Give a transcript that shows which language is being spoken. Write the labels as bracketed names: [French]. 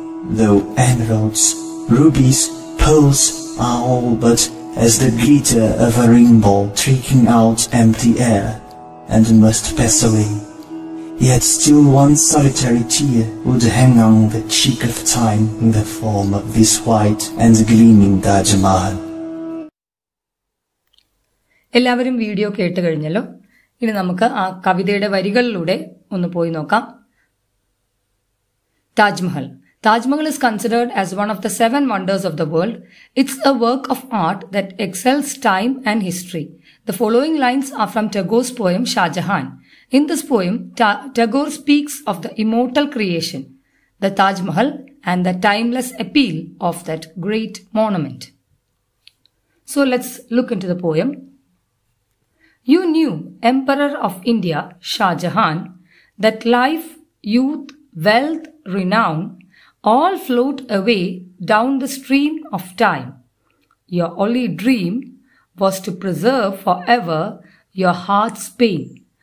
[English] Though emeralds, rubies, pearls are all but as the glitter of a rainbow tricking out empty air and must pass away. Yet still one solitary tear would hang on the cheek of time in the form of this white and gleaming Taj Mahal. [Malayalam] എല്ലാവരും video കേട്ട് കഴിഞ്ഞല്ലോ. ഇനി നമുക്ക് ആ കവിതയുടെ വരികളിലൂടെ ഒന്ന് പോയി നോക്കാം. [English] Taj Mahal. Taj Mahal is considered as one of the seven wonders of the world. It's a work of art that excels time and history. The following lines are from Tagore's poem Shah Jahan. In this poem Tagore speaks of the immortal creation, the Taj Mahal and the timeless appeal of that great monument. So let's look into the poem. You knew, Emperor of India, Shah Jahan, that life, youth, wealth, renown, all float away down the stream of time. Your only dream was to preserve forever your heart's pain.